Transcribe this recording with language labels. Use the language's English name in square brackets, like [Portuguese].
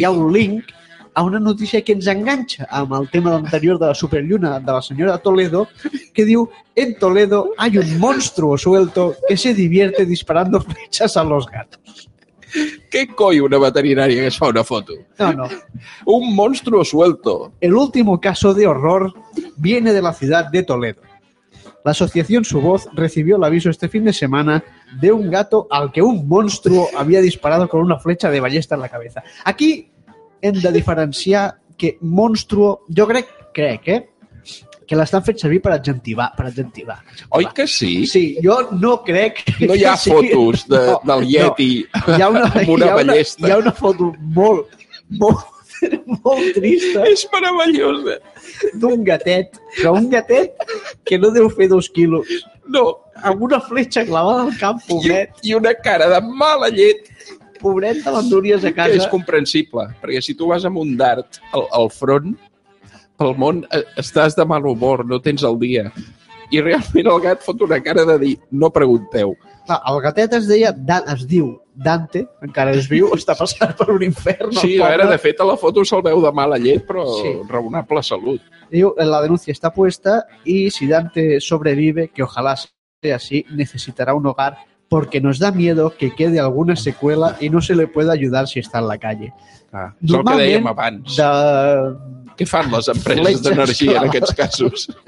[Catalan] hi ha un link a una notícia que ens enganxa amb el tema anterior de la superlluna, de la senyora Toledo, que diu, [Spanish] en Toledo hay un monstruo suelto que se divierte disparando flechas a los gatos. [Catalan] Què coi una veterinària que es fa una foto? No, no. [Spanish] Un monstruo suelto. El último caso de horror viene de la ciudad de Toledo. La asociación Su Voz recibió el aviso este fin de semana de un gato al que un monstruo había disparado con una flecha de ballesta en la cabeza. [Catalan] Aquí hem de diferenciar que monstruo... Jo crec, que l'estan fent servir per adjectivar, Oi que sí? Sí, jo no crec... No hi ha fotos del Yeti amb una ballesta. Hi ha una foto molt trista. És meravellosa. D'un gatet, però un gatet que no deu fer 2 quilos. No. Amb una fletxa clavada al cap, pobret. I una cara de mala llet. Pobret de l'enduries a casa. És comprensible, perquè si tu vas amb un dart al front... Pel món estàs de mal humor, no tens el dia. i realment el gat fot una cara de dir no pregunteu. Clar, el gatet es deia, es diu Dante, encara és viu, està passant per un infern. Sí, a veure, de fet, a la foto se'l veu de mala llet, però sí. Raonable salut. Diu, la denúncia està [Spanish] puesta i si Dante sobrevive, que ojalá sea así, necesitará un hogar porque nos da miedo que quede alguna secuela y no se le pueda ayudar si está en la calle. [Catalan] Ah, és el que dèiem abans. De... Què fan les empreses d'energia en aquests casos?